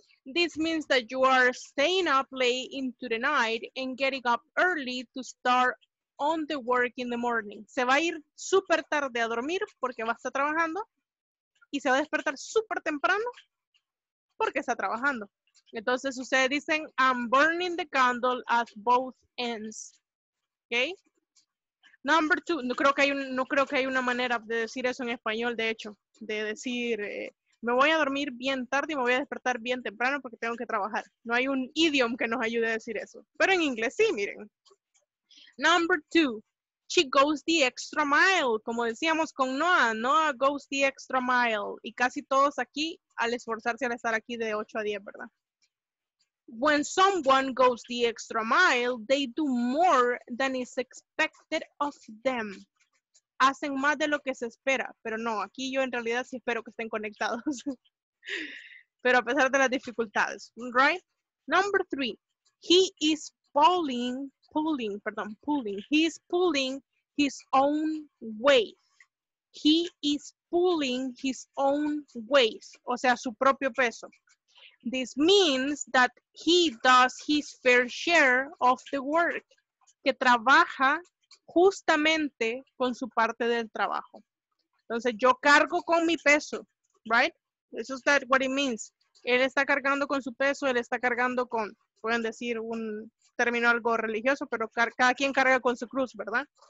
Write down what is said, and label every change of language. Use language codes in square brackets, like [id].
[en] This means that you are staying up late into the night and getting up early to start on the work in the morning. [es] Se va a ir súper tarde a dormir porque va a estar trabajando. Y se va a despertar súper temprano porque está trabajando. Entonces ustedes dicen, [en] I'm burning the candle at both ends. ¿Ok? Number two. [es] No creo que hay una manera de decir eso en español, de hecho. De decir, me voy a dormir bien tarde y me voy a despertar bien temprano porque tengo que trabajar. No hay un idioma que nos ayude a decir eso. Pero en inglés sí, miren. [en] Number two. She goes the extra mile, [es] como decíamos con Noah. [en] Noah goes the extra mile. [es] Y casi todos aquí, al esforzarse al estar aquí de 8 a 10, ¿verdad? [en] When someone goes the extra mile, they do more than is expected of them. [es] Hacen más de lo que se espera. Pero no, aquí yo en realidad sí espero que estén conectados. Pero a pesar de las dificultades, [en] right? Number three, he is falling. Pulling. He is pulling his own weight. He is pulling his own weight. [es] O sea, su propio peso. [en] This means that he does his fair share of the work. [es] Que trabaja justamente con su parte del trabajo. Entonces, yo cargo con mi peso, [en] right? This is that what it means. [es] Él está cargando con su peso, él está cargando con, pueden decir, un término algo religioso, pero cada quien carga con su cruz, ¿verdad?